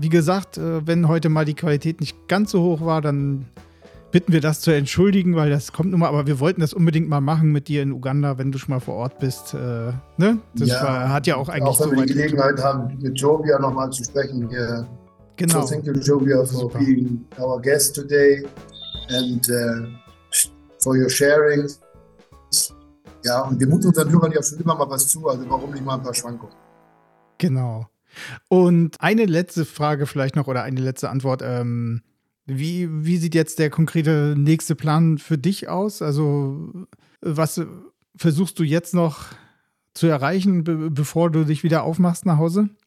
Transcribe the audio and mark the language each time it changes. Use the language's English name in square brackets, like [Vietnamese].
[German] Wie gesagt, wenn heute mal die Qualität nicht ganz so hoch war, dann bitten wir das zu entschuldigen, weil das kommt nun mal. Aber wir wollten das unbedingt mal machen mit dir in Uganda, wenn du schon mal vor Ort bist. Ne? Das ja, hat ja auch eigentlich so weit. Auch wenn wir die Gelegenheit haben, mit Jovia nochmal zu sprechen. Genau. [English] So thank you, Jovia, for super. Being our guest today and for your sharing. [German] Ja, und wir muten unseren Hörern ja schon immer mal was zu, also warum nicht mal ein paar Schwankungen? Genau. Und eine letzte Frage vielleicht noch oder eine letzte Antwort. Wie sieht jetzt der konkrete nächste Plan für dich aus? Also was versuchst du jetzt noch zu erreichen, bevor du dich wieder aufmachst nach Hause?